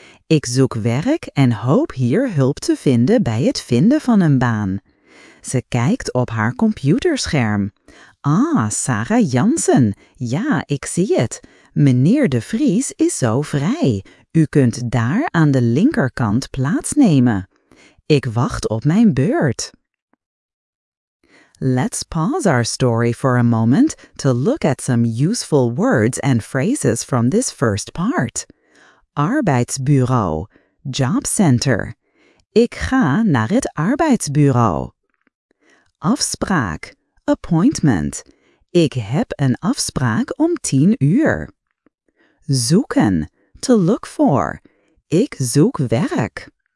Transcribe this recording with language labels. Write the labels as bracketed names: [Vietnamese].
[Dutch] Ik zoek werk en hoop hier hulp te vinden bij het vinden van een baan. Ze kijkt op haar computerscherm. Ah, Sarah Jansen. Ja, ik zie het. Meneer De Vries is zo vrij. U kunt daar aan de linkerkant plaatsnemen. Ik wacht op mijn beurt. [English] Let's pause our story for a moment to look at some useful words and phrases from this first part. [Dutch] Arbeidsbureau, [English] job center. [Dutch] Ik ga naar het arbeidsbureau. Afspraak, appointment. Ik heb een afspraak om 10:00. Zoeken, [English] to look for. [Dutch] Ik zoek werk.